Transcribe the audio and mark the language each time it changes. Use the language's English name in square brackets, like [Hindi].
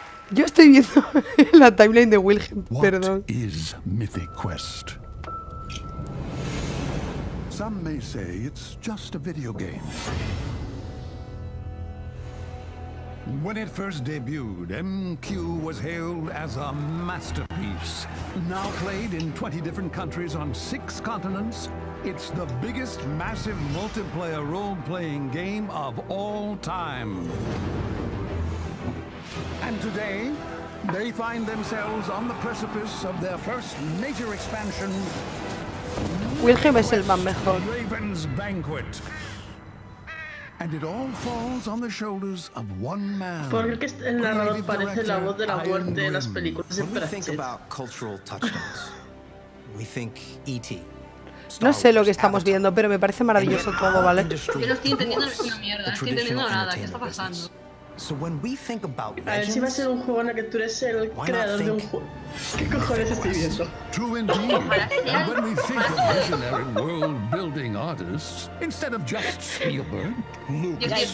[Spanish] Yo estoy viendo la timeline de Wilhelm, perdón. [English] What is Mythic Quest? Some may say it's just a video game. When it first debuted, MQ was hailed as a masterpiece. Now played in 20 different countries on 6 continents, it's the biggest massive multiplayer role-playing game of all time. And today, they find themselves on the precipice of their first major expansion. [Spanish] Wilhelm es el más mejor. [English] Raven's Banquet. And it all falls on the shoulders of one man. [Spanish] Porque el narrador parece la voz de la muerte en las películas de Pratchett. [English] We think about cultural touchstones. We think E.T. [Spanish] No sé lo que estamos viendo, pero me parece maravilloso todo, ¿vale? Yo no estoy entendiendo ni una mierda, no estoy entendiendo nada, ¿qué está pasando? [English] So when we think about [Spanish] legends, a ver si va a ser un juego en el que tú eres el creador de un juego. ¿Qué cojones estoy viendo? [English] True indeed. And when we think of visionary world-building artists, instead of just Spielberg, Lucas,